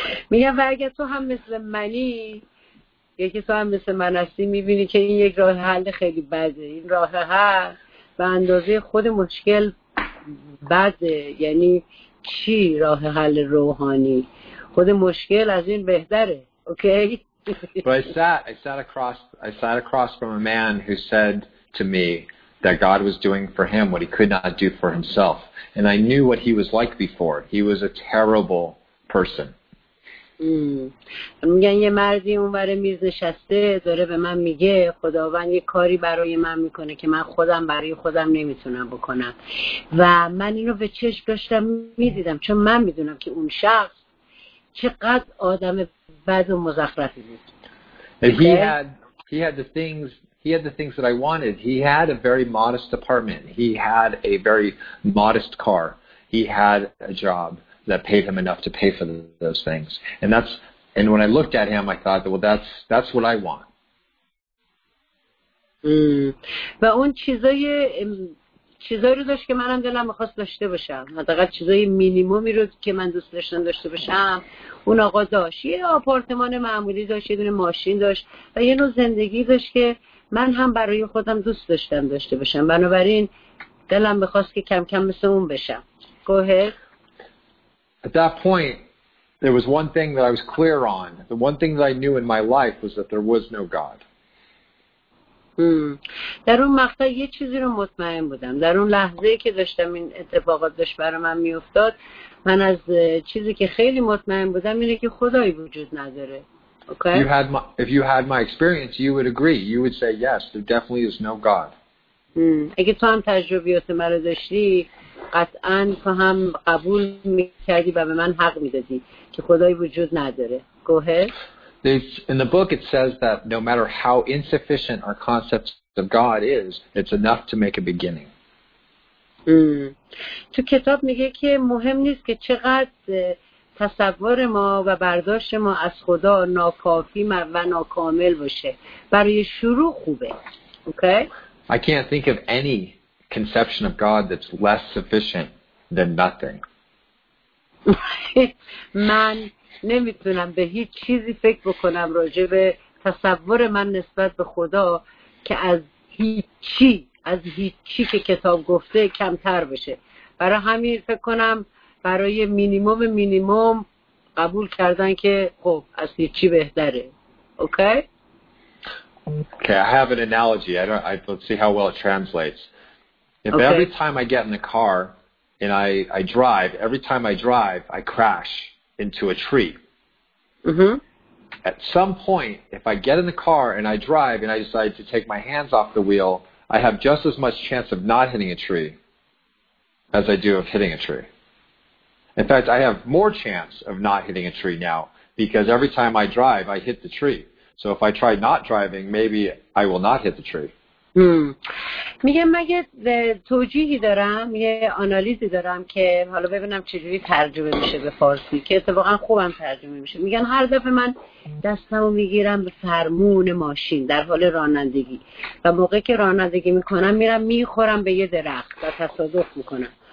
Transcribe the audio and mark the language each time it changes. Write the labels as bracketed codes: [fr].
[fa] میگم و اگه تو هم مثل منی یکی تو هم مثل من هستی میبینی که این یک راه حل خیلی بده، این راه حل به اندازه خود مشکل بده، یعنی چی راه حل روحانی؟ خود مشکل از این بهتره. [en] But I sat across from a man who said to me that God was doing for him what he could not do for himself. And I knew what he was like before. He was a terrible person. [fa] میگن یه مردی اونور میز نشسته داره به من میگه خداوند یه کاری برای من میکنه که من خودم برای خودم نمیتونم بکنم. و من اینو به چشم داشتم میدیدم چون من میدونم که اون شخص چقدر آدم بد و مزخرفی بود. [en] He had the things that I wanted. He had a very modest apartment. He had a very modest car. He had a job that paid him enough to pay for those things. And when I looked at him, I thought, well, that's what I want. [fa] و اون چیزایی رو داشت که منم دلم می‌خواست داشته باشم. حداقل چیزای مینیمومی رو که من دوست داشتم داشته باشم. اون آقا داشت. یه آپارتمان معمولی داشت، یه دونه ماشین داشت و یه نوع زندگی داشت که من هم برای خودم دوست داشتم داشته باشم. بنابراین دلم می‌خواست که کم کم مثل اون بشم. [en] گوهر. At that point, there was one thing that I was clear on. The one thing that I knew in my life was that there was no God. [fa] در اون مقطع یه چیزی رو مطمئن بودم. در اون لحظه که داشتم این اتفاقات داشت برای من میافتاد، من از چیزی که خیلی مطمئن بودم اینه که خدایی وجود نداره. [en] Okay? If you had my experience, you would agree. You would say yes, there definitely is no God. [fa] اگه تو هم تجربیات مرا داشتی قطعاً تو هم قبول می‌کردی و به من حق می‌دادی که خدایی وجود نداره. [en] Go ahead. In the book it says that no matter how insufficient our concepts of God is, it's enough to make a beginning. [fa] تو کتاب میگه که مهم نیست که چقدر تصور ما و برداشت ما از خدا ناکافی و ناکامل باشه. برای شروع خوبه. Okay? [en] I can't think of any conception of God that's less sufficient than nothing. [fa] من نمیتونم به هیچ چیزی فکر بکنم راجع به تصور من نسبت به خدا که از هیچی که کتاب گفته کمتر بشه. برای همین فکر کنم برای مینیمم قبول کردن که خب از هیچی بهتره. [en] Okay? Okay, I have an analogy. Let's see how well it translates. Every time I get in the car and I drive, every time I drive, I crash into a tree. At some point, if I get in the car and I drive and I decide to take my hands off the wheel, I have just as much chance of not hitting a tree as I do of hitting a tree. In fact, I have more chance of not hitting a tree now because every time I drive, I hit the tree. So if I try not driving, maybe I will not hit the tree. [fa] میگم مگه توجیهی دارم، یه آنالیزی دارم که حالا ببینم چجوری ترجمه میشه به فارسی که اتفاقا خوبم ترجمه میشه. میگن هر دفعه من دستمو میگیرم به فرمون ماشین در حال رانندگی و موقعی که رانندگی میکنم میرم میخورم به یه درخت و تصادف میکنم.